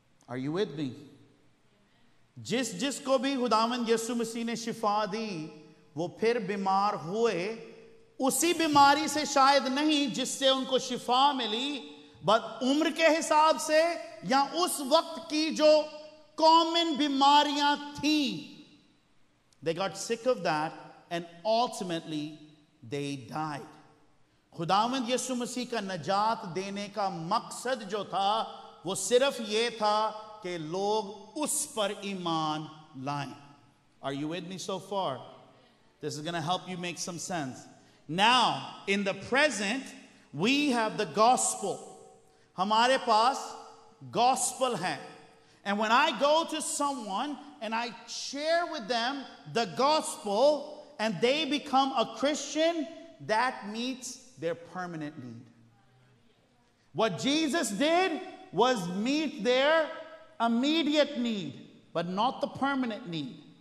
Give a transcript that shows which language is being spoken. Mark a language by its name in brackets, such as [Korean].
[English] Are you with me? [Hindi] जिस जिस को भी खुदावंद यीशु मसीह ने शिफा दी, वो फिर बीमार हुए उसी बीमारी से, शायद नहीं जिससे उनको शिफा मिली, बट उम्र के हिसाब से या उस वक्त की जो कॉमन बीमारियां थी. [English] They got sick of that, and ultimately, they died. [Hindi] खुदावंद यीशु मसीह का नजात देने का मकसद जो था, वो सिर्फ ये था कि लोग उस पर ईमान लाएं. [English] Are you with me so far? This is going to help you make some sense. Now, in the present, we have the gospel. [Hindi] हमारे पास gospel है. [English] And when I go to someone and I share with them the gospel and they become a Christian, that meets their permanent need. What Jesus did was meet their immediate need, but not the permanent need.